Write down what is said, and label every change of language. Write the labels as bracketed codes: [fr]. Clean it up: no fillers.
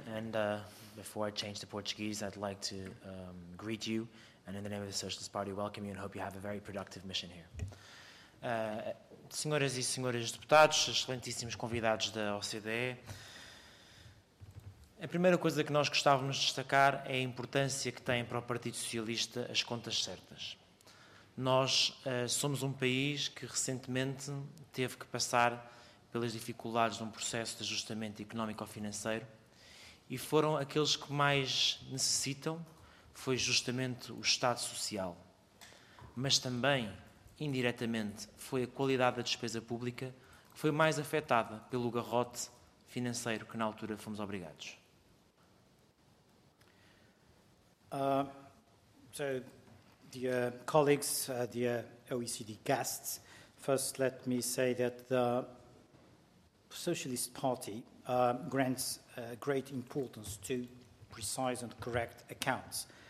[en] And before I change to Portuguese, I'd like to greet you. And in the name of the Socialist Party, welcome you and hope you have a very productive mission here. [pt] Senhoras e senhores deputados, excelentíssimos convidados da OCDE, a primeira coisa que nós gostávamos de destacar é a importância que tem para o Partido Socialista as contas certas. Nós somos um país que recentemente teve que passar pelas dificuldades de um processo de ajustamento económico-financeiro e foram aqueles que mais necessitam foi justamente o Estado Social, mas também, indiretamente, foi a qualidade da despesa pública que foi mais afetada pelo garrote financeiro que na altura fomos obrigados. [en] So, dear colleagues, dear OECD guests, first let me say that the Socialist Party grants great importance to precise and correct accounts.